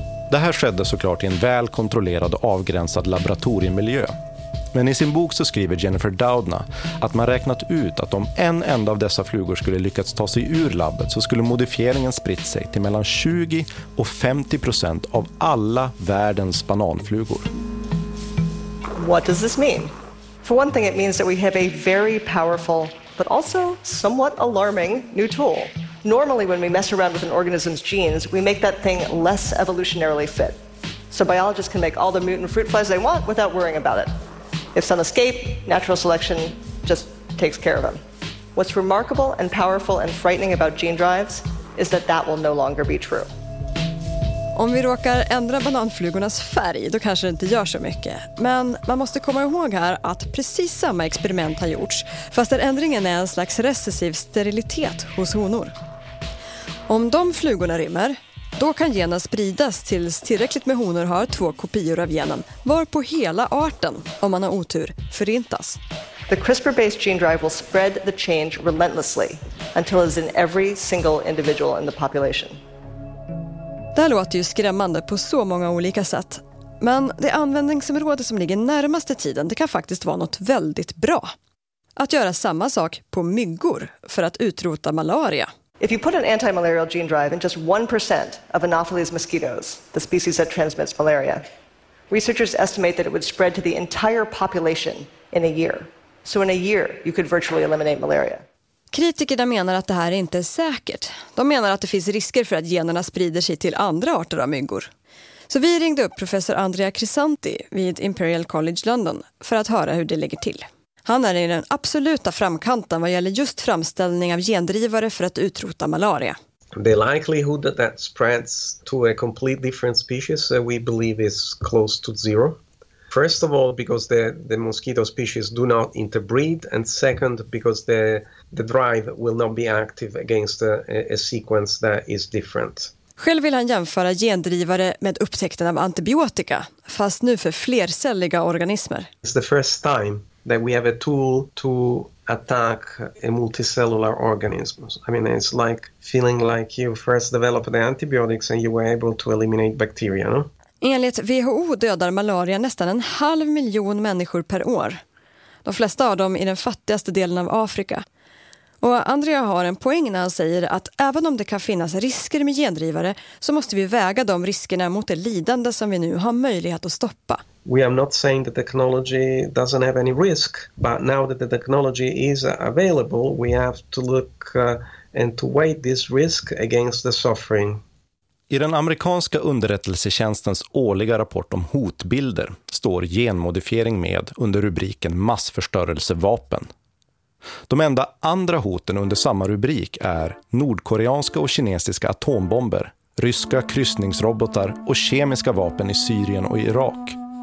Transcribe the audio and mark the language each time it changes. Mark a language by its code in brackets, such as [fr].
[sv] Det här skedde såklart i en välkontrollerad och avgränsad laboratoriemiljö. Men i sin bok så skriver Jennifer Doudna att man räknat ut att om en enda av dessa flugor skulle lyckats ta sig ur labbet så skulle modifieringen spritt sig till mellan 20% och 50% av alla världens bananflugor. [en] What does this mean? For one thing, it means that we have a very powerful but also somewhat alarming new tool. Normally when we mess around with an organism's genes, we make that thing less evolutionarily fit. So biologists can make all the mutant fruit flies they want without worrying about it. If some escape, natural selection just takes care of them. What's remarkable and powerful and frightening about gene drives is that that will no longer be true. [sv] Om vi råkar ändra bananflugornas färg, då kanske det inte gör så mycket. Men man måste komma ihåg här att precis samma experiment har gjorts, fast där ändringen är en slags recessiv sterilitet hos honor. Om de flugorna rymmer, då kan genen spridas tills tillräckligt med honor har två kopior av genen, varpå hela arten, om man har otur, förintas. [en] The CRISPR-based gene drive will spread the change relentlessly until it's in every single individual in the population. [sv] Det här låter ju skrämmande på så många olika sätt. Men det användningsområde som ligger närmaste tiden, det kan faktiskt vara något väldigt bra. Att göra samma sak på myggor för att utrota malaria. [en] If you put an anti-malarial gene drive in just 1% of Anopheles mosquitoes, the species that transmits malaria, researchers estimate that it would spread to the entire population in a year. So in a year you could virtually eliminate malaria. [sv] Kritikerna menar att det här inte är säkert. De menar att det finns risker för att generna sprider sig till andra arter av myggor. Så vi ringde upp professor Andrea Crisanti vid Imperial College London för att höra hur det ligger till. Han är i den absoluta framkanten vad gäller just framställning av gendrivare för att utrota malaria. [en] The likelihood that that spreads to a completely different species that we believe is close to zero. First of all, because the mosquito species do not interbreed, and second, because the drive will not be active against a sequence that is different. [sv] Själv vill han jämföra gendrivare med upptäckten av antibiotika, fast nu för flercelliga organismer. [en] It's the first time that we have a tool to attack a multicellular organism. I mean, it's like feeling like you first developed the antibiotics and you were able to eliminate bacteria, no? [sv] Enligt WHO dödar malaria nästan 500 000 människor per år. De flesta av dem i den fattigaste delen av Afrika. Och Andrea har en poäng när han säger att även om det kan finnas risker med gendrivare så måste vi väga de riskerna mot det lidande som vi nu har möjlighet att stoppa. [en] We are not saying that technology doesn't have any risk, but now that the technology is available, we have to look and to weigh this risk against the suffering. [sv] I den amerikanska underrättelsetjänstens årliga rapport om hotbilder står genmodifiering med under rubriken massförstörelsevapen. De enda andra hoten under samma rubrik är nordkoreanska och kinesiska atombomber, ryska kryssningsrobotar och kemiska vapen i Syrien och Irak.